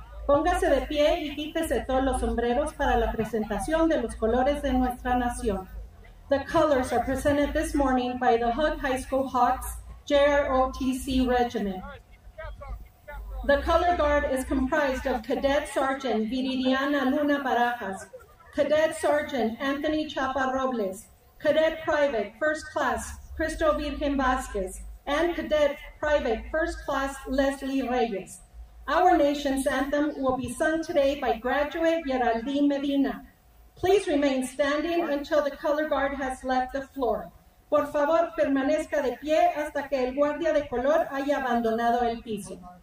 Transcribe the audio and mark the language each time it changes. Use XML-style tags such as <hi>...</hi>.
<es>Póngase de pie y quítese todos los sombreros para la presentación de los colores de nuestra nación.</es> <en>The colors are presented this morning by the Hug High School Hawks JROTC Regiment. The color guard is comprised of Cadet Sergeant Viridiana Luna Barajas, Cadet Sergeant Anthony Chapa Robles, Cadet Private First Class Cristo Virgen Vasquez, and Cadet Private First Class Leslie Reyes. Our nation's anthem will be sung today by graduate Geraldine Medina. Please remain standing until the color guard has left the floor.</en> <es>Por favor, permanezca de pie hasta que el guardia de color haya abandonado el piso.</es>